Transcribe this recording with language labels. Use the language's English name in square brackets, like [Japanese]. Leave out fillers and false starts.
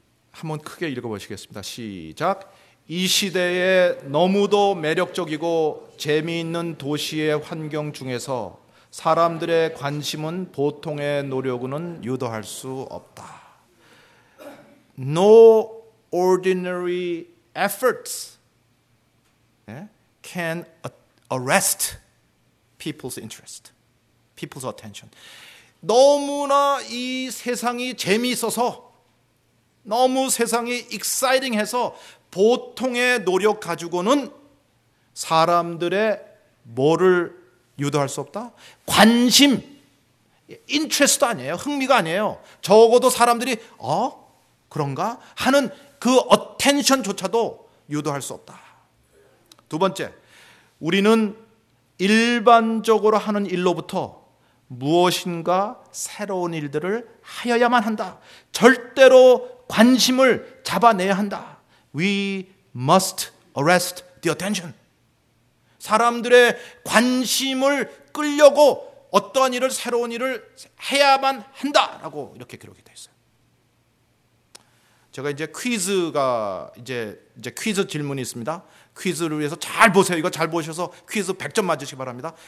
[Korean] 한번 크게 읽어보시겠습니다. 시작. 이 시대에 너무도 매력적이고 재미있는 도시의 환경 중에서 사람들의 관심은 보통의 노력은 유도할 수 없다. [English] No ordinary efforts can arrest people's interest, people's attention. [Korean] 너무나 이 세상이 재미있어서, 너무 세상이 exciting해서 보통의 노력 가지고는 사람들의 뭐를 유도할 수 없다? 관심, interest도 아니에요. 흥미가 아니에요. 적어도 사람들이 어? 그런가? 하는 그 attention조차도 유도할 수 없다. 두 번째, 우리는 일반적으로 하는 일로부터 무엇인가 새로운 일들을 하여야만 한다. 절대로 관심을 잡아내야 한다. [English] We must arrest the attention. [Korean] 사람들의 관심을 끌려고 어떠한 일을, 새로운 일을 해야만 한다라고 이렇게 기록이 되어 있어요. 제가 이제 퀴즈가 이제 퀴즈 질문이 있습니다. 퀴즈를 위해서 잘 보세요. 이거 잘 보셔서 퀴즈 100점 맞으시기 바랍니다.